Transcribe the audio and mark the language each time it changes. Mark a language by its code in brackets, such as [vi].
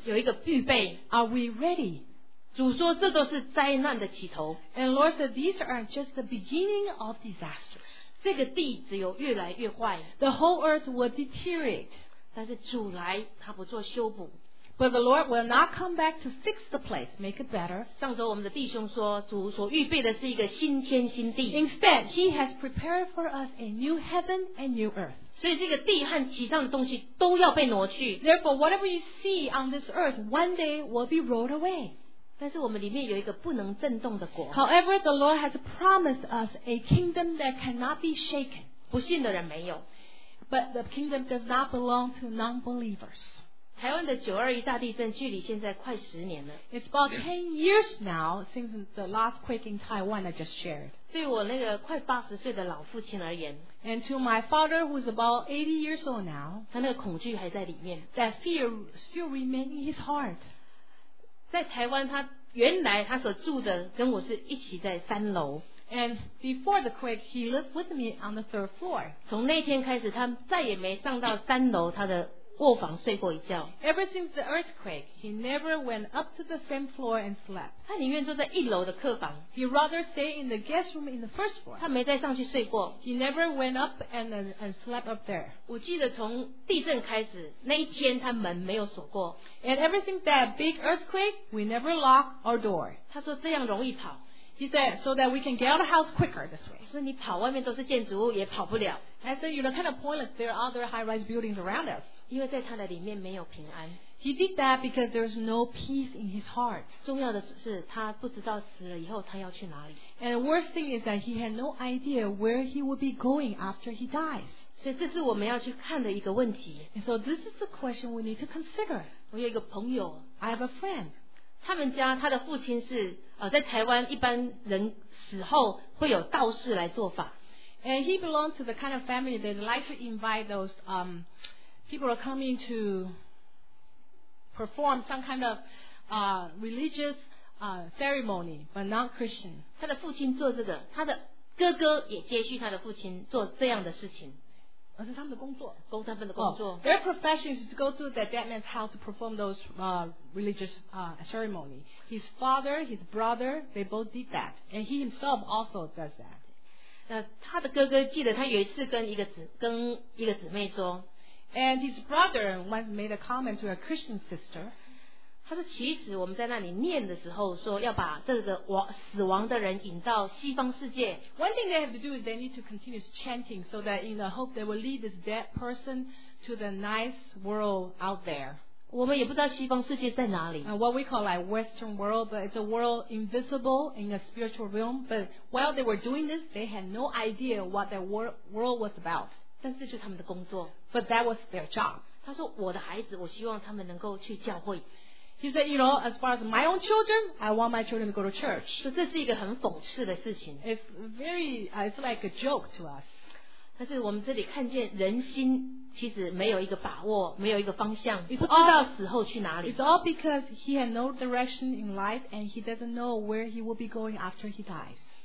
[zh] 有一个预备。 [en] Are we ready? [zh] 主说这都是灾难的起头。 [en] And Lord said these are just the beginning of disasters. [zh] 这个地只有越来越坏。 [en] The whole earth will deteriorate. [zh] 但是主来，他不做修补。 [en] But the Lord will not come back to fix the place, make it better. [zh] 上周我们的弟兄说，主所预备的是一个新天新地。 [en] Instead, He has prepared for us a new heaven and new earth. [zh] 所以这个地和其上的东西都要被挪去。 [en] Therefore, whatever you see on this earth, one day will be rolled away. [zh] 但是我们里面有一个不能震动的国。 [en] However, the Lord has promised us a kingdom that cannot be shaken. [zh] 不信的人没有。 [en] But the kingdom does not belong to non-believers. [zh] 台湾的921大地震距离现在快十年了。 [en] It's about 10 years now since the last quake in Taiwan I just shared. [zh] 对我那个快80岁的老父亲而言。 [en] And to my father who is about 80 years old now. [zh] 他那个恐惧还在里面。 [en] That fear still remains in his heart. [zh] 在台湾他原来他所住的跟我是一起在三楼。 [en] And before the quake, he lived with me on the third floor. [zh] 从那天开始他再也没上到三楼他的卧房睡过一觉。 [en] Ever since the earthquake, he never went up to the same floor and slept. [zh] 他宁愿坐在一楼的客房。 [en] He rather stayed in the guest room in the first floor. [zh] 他没再上去睡过。 [en] He never went up and slept up there. [zh] 我记得从地震开始那一天他门没有锁过。 [en] And ever since that big earthquake, we never locked our door. [zh] 他说这样容易跑。 [en] He said, so that we can get out of the house quicker this way. [zh] 所以你跑外面都是建筑物也跑不了。 [en] I said, you know, kind of pointless, there are other high-rise buildings around us. [zh] 因为在他的里面没有平安。 [en] He did that because there's no peace in his heart. [zh] 重要的是他不知道死了以后他要去哪里。 [en] And the worst thing is that he had no idea where he would be going after he dies. [zh] 所以这是我们要去看的一个问题。 [en] And so this is the question we need to consider. [zh] 我有一个朋友。 [en] I have a friend. [zh] 他们家他的父亲是在台湾一般人死后会有道士来做法。 [en] And he belonged to the kind of family that like to invite those, people are coming to perform some kind of religious ceremony, but not Christian. [zh] 他的父亲做这个，他的哥哥也接续他的父亲做这样的事情。而是他们的工作，工他们的工作。 [en] Oh, their profession is to go to the dead man's house to perform those religious ceremony. His father, his brother, they both did that, and he himself also does that. [zh] 那他的哥哥记得他有一次跟一个姊妹说。 [en] And his brother once made a comment to a Christian sister. [zh] 他说其实我们在那里念的时候说要把这个死亡的人引到西方世界。 [en] One thing they have to do is they need to continue chanting so that in the hope they will lead this dead person to the nice world out there. [zh] 我们也不知道西方世界在哪里。 [en] What we call like Western world, but it's a world invisible in a spiritual realm. But while they were doing this, they had no idea what that world was about. [zh] 但是就他们的工作。 [en] But that was their job. [zh] 他说我的孩子我希望他们能够去教会。 [en] He said, you know, as far as my own children, I want my children to go to church. [zh] 所以这是一个很讽刺的事情。 [en] It's like a joke to us. [zh] 但是我们这里看见人心其实没有一个把握，没有一个方向，不知道死后去哪里。 [en] It's all because he had no direction in life and he doesn't know where he will be going after he dies.